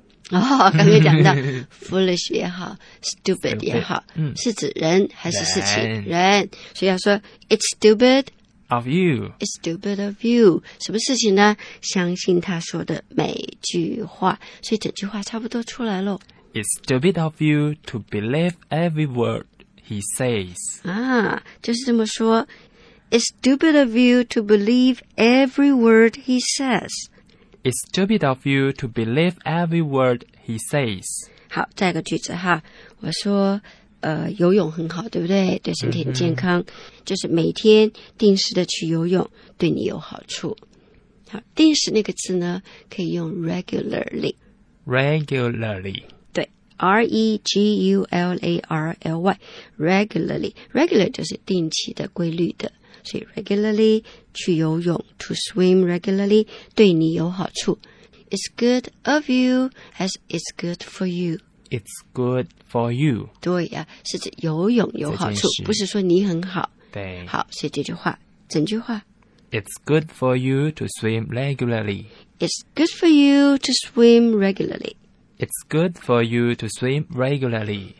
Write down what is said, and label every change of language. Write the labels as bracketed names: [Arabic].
[Chinese] 哦，刚刚讲到foolish 也好 ，stupid 也好，是指人还是事情？人，所以要说 [English] It's stupid of you. It's stupid of you. [Chinese] 什么事情呢？相信他说的每句话，所以整句话差不多出来喽。 [English] It's stupid of you to believe every word he says. [Chinese] 啊，就是这么说。 [English] It's stupid of you to believe every word he says. It's stupid of you to believe every word he says. [Chinese] 好，再一个句子哈，我说，游泳很好，对不对？对身体很健康，就是每天定时的去游泳，对你有好处。好，定时那个字呢，可以用 regularly. [English] Regularly. R-E-G-U-L-A-R-L-Y Regularly Regular [Chinese] 就是定期的规律的所以 [English] regularly [Chinese] 去游泳 [English] To swim regularly [Chinese] 对你有好处 [English] It's good of you as it's good for you It's good for you [Chinese] 对呀、是指游泳有好处不是说你很好对好所以这句话整句话 [English] It's good for you to swim regularly It's good for you to swim regularly It's good for you to swim regularly.